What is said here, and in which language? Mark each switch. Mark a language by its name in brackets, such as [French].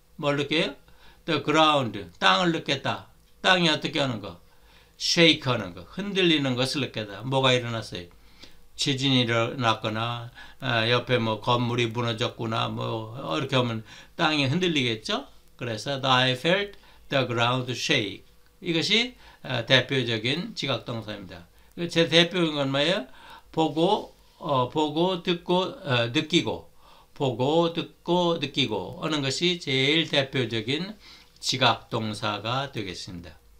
[Korean] 뭘 느껴요? [English] The ground [Korean] 땅을 느꼈다. 땅이 어떻게 하는 거? Shake 하는 거. 흔들리는 것을 느꼈다. 뭐가 일어났어요? 지진이 일어났거나 옆에 뭐 건물이 무너졌구나 뭐 이렇게 하면 땅이 흔들리겠죠? 그래서 [English] I felt the ground shake. [Korean] 이것이 대표적인 지각동사입니다. 제 대표적인 건 뭐예요? 보고 듣고 느끼고 보고 듣고 느끼고 하는 것이 제일 대표적인 지각동사입니다. 지각동사가 되겠습니다.